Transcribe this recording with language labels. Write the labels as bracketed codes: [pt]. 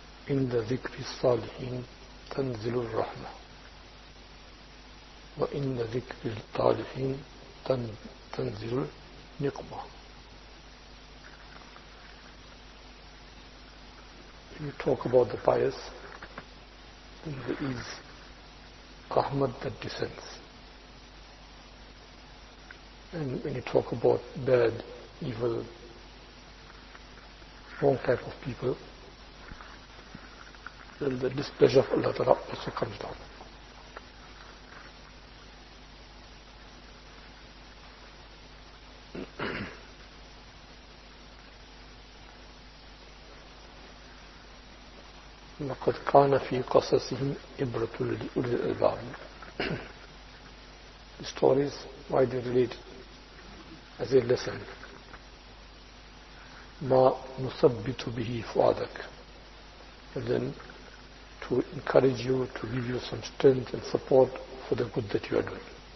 [ar] عند ذكر الصالحين تنزل الرحمة، وإن ذكر الطالحين تنزل النقمة. [en] You talk about the pious, then there is Ahmad that descends. And when you talk about bad, evil, wrong type of people, then the displeasure of Allah Ta'ala also comes down. [ar] لقد كان في قصصهم عبرة لأولي الألباب. [en] The stories, why they relate as a lesson. [ar] ما نثبت به فؤادك. [en] And then to encourage you, to give you some strength and support for the good that you are doing.